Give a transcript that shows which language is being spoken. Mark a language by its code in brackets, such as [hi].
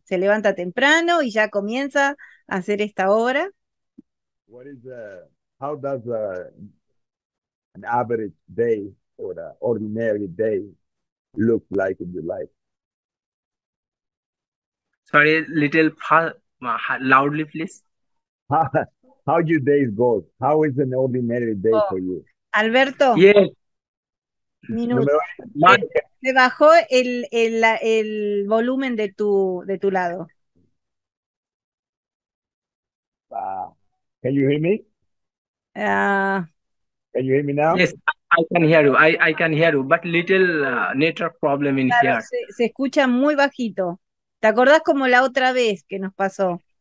[es] ¿Se levanta temprano y ya comienza a hacer esta obra? [en] What is how does an average day or an ordinary day look like in your life? Sorry, little loudly, please. How your days go? How is an ordinary day for you? Alberto, Yes. [es] minuto. Número Se bajó el volumen de tu lado. [en] Can you hear me? Can you hear me now? Yes, I can hear you. I can hear you, but little network problem in [es] Claro, [en] here. [es] se escucha muy bajito. ¿Te acordás como la otra vez que nos pasó?